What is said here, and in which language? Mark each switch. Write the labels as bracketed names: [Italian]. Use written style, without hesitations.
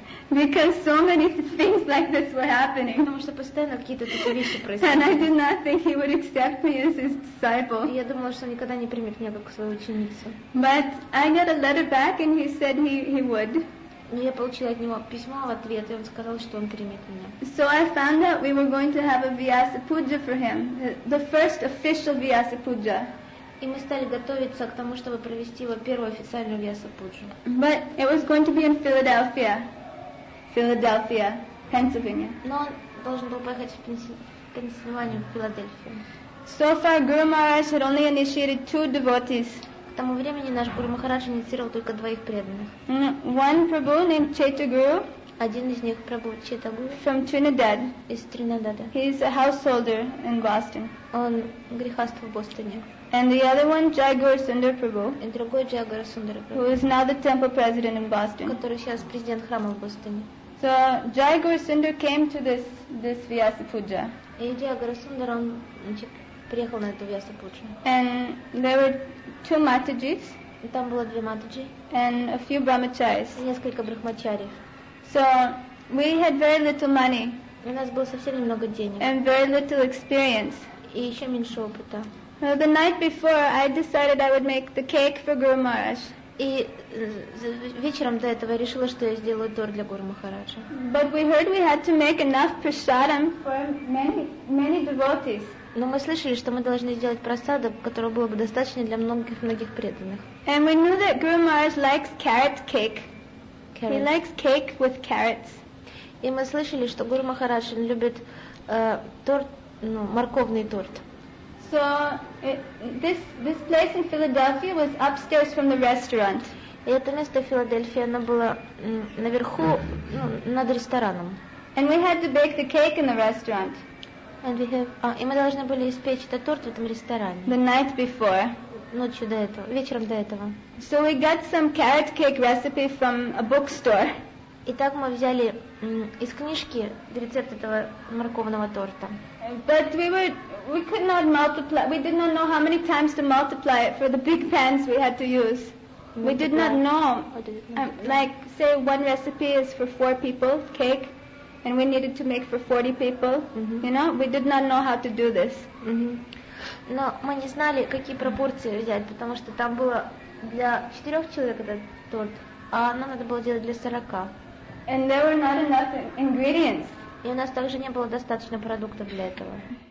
[English] Because so many things like this were happening. [Russian] Потому что постоянно какие-то такие вещи происходили. [English] And I did not think he would accept me as his disciple. [Russian] Я думала, что никогда не примет меня как свою ученицу. [English] But I got a letter back, and he said he would. [Russian] Но я получила от него письмо в ответ, и он сказал, что он примет меня. [English] So I found out we were going to have a Vyasa Puja for him, the first official Vyasa Puja. [Russian] И мы стали готовиться к тому, чтобы провести его первую официальную Vyasa Puja. [English] But it was going to be in Philadelphia, Pennsylvania. [Russian] Но он должен был поехать в Пенсильванию, в Филадельфию. [English] So far Guru Maharaj had only initiated 2 devotees. [Russian] К тому времени наш Гуру Махарадж инициировал только 2 преданных. [English] One Prabhu named Chaita Guru. [Russian] Один из них Прабху Чейта Гуру. [English] From Trinidad. [Russian] Из Тринидада. [English] He is a householder in Boston. [Russian] Он грехаст в Бостоне. [English] And the other one, Jaguru Sundar Prabhu. [Russian] И другой Jaguru Sundar Prabhu. [English] Who is now the temple president in Boston. [Russian] Который сейчас президент храма в Бостоне. [English] So Jaguru Sundar came to this Vyasa Puja. [Russian] И Jaguru Sundar он приехал на эту Vyasa Puja. [English] And there were 2 Matajis. [Russian] Там было 2 Матаджи. [English] And a few Brahmacharis. [Russian] И несколько Брахмачари. [English] So we had very little money. [Russian] У нас было совсем немного денег. [English] And very little experience. [Russian] И еще меньше опыта. [English] Well, the night before, I decided I would make the cake for Guru Maharaj. [Russian] И вечером до этого я решила, что я сделаю торт для Гуру Махараджа. [English] But we heard we had to make enough prasadam for many, many devotees. [Russian] Но мы слышали, что мы должны сделать просаду, которого было бы достаточно для многих-многих преданных. [English] And we knew that Guru Maharaj likes carrot cake. Carrot. He likes cake with carrots. [Russian] И мы слышали, что Гуру Махарадж любит торт, ну, морковный торт. [English] So this place in Philadelphia was upstairs from the restaurant. [Russian] И это место в Филадельфии, оно было наверху, ну, над рестораном. [English] And we had to bake the cake in the restaurant. [Russian] И мы должны были испечь этот торт в этом ресторане. [English] The night before. [Russian] Ночью до этого, вечером до этого. [English] So we got some carrot cake recipe from a bookstore. [Russian] И так мы взяли из книжки рецепт этого морковного торта. [English] But we could not multiply. We did not know how many times to multiply it for the big pans we had to use. We did not know. Like, say one recipe is for 4 people cake. And we needed to make for 40 people. Mm-hmm. You know, we did not know how to do this. [Russian] Но мы не знали, какие пропорции взять, потому что там было для 4 человек этот торт, а нам надо было делать для 40. [English] And there were not enough ingredients. [Russian] И у нас также не было достаточно продуктов для этого.